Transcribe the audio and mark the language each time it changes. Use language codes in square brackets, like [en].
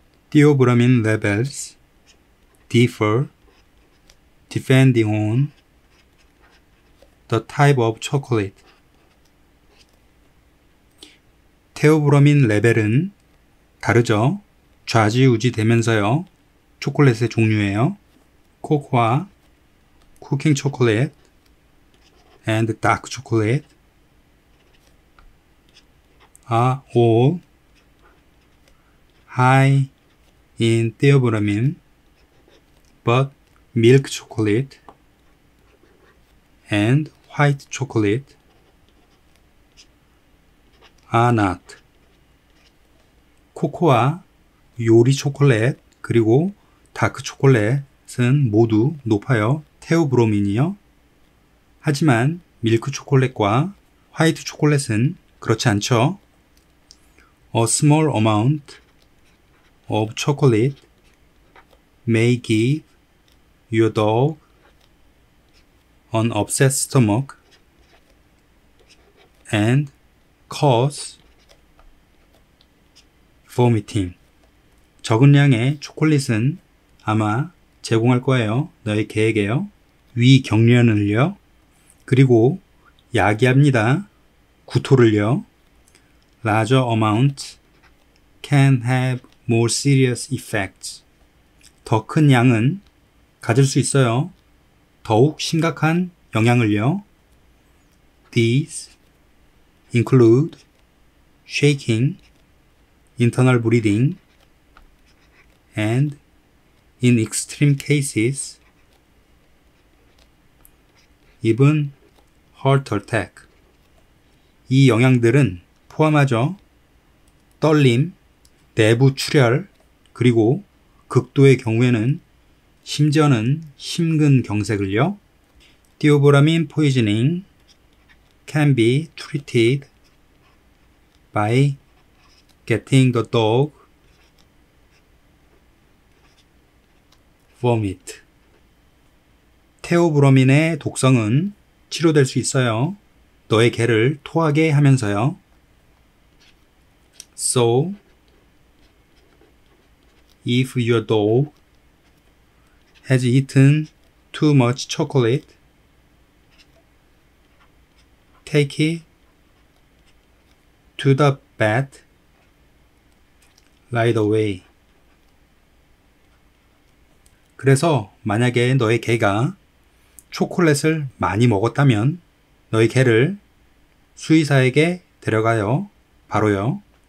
[en] Theobromine levels differ depending on the type of chocolate. [ko] 테오브로민 레벨은 다르죠. 좌지우지 되면서요. 초콜릿의 종류예요. [en] 코코아, 쿠킹 초콜릿, and dark chocolate are all high in theobromine, but milk chocolate and white chocolate are not. [ko] 코코아, 요리 초콜릿, 그리고 다크 초콜릿은 모두 높아요. 테오브로민이요. 하지만 밀크 초콜릿과 화이트 초콜릿은 그렇지 않죠. [en] A small amount of chocolate may give your dog an upset stomach and cause vomiting. [ko] 적은 양의 초콜릿은 아마 제공할 거예요. 너의 개에게요. 위 경련을요. 그리고 야기합니다. 구토를요. [en] Larger amounts can have more serious effects. [ko] 더 큰 양은 가질 수 있어요. 더욱 심각한 영향을요. [en] These include shaking, internal bleeding, and in extreme cases, even heart attack. [ko] 이 영향들은 포함하죠. 떨림, 내부 출혈, 그리고 극도의 경우에는 심지어는 심근경색을요. [en] Theobromine poisoning can be treated by getting the dog vomit. [ko] 테오브로민의 독성은 치료될 수 있어요. 너의 개를 토하게 하면서요. [en] So, if your dog has eaten too much chocolate, take it to the vet right away. [ko] 그래서 만약에 너의 개가 초콜릿을 많이 먹었다면 너의 개를 수의사에게 데려가요. 바로요.